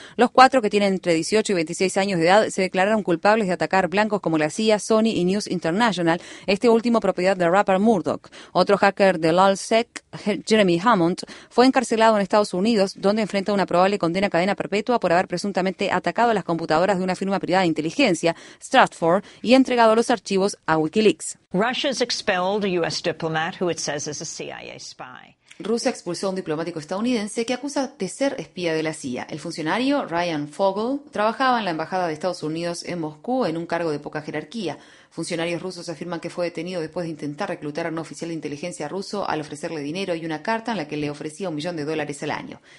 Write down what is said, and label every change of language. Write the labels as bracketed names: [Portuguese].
[Spanish] Los 4, que tienen entre 18 y 26 años de edad, se declararon culpables de atacar blancos como la CIA, Sony y News International, este último propiedad del rapper Murdoch. Otro hacker de LulzSec, Jeremy Hammond, fue encarcelado en Estados Unidos, donde enfrenta una probable condena a cadena perpetua por haber presuntamente atacado las computadoras de una firma privada de inteligencia, Stratfor, y entregado los archivos a WikiLeaks. [English] Russia's expelled a U.S. diplomat who it says is a CIA spy. [Spanish] Rusia expulsó a un diplomático estadounidense que acusa de ser espía de la CIA. El funcionario, Ryan Fogel, trabajaba en la embajada de Estados Unidos en Moscú en un cargo de poca jerarquía. Funcionarios rusos afirman que fue detenido después de intentar reclutar a un oficial de inteligencia ruso al ofrecerle dinero y una carta en la que le ofrecía $1 millón al año.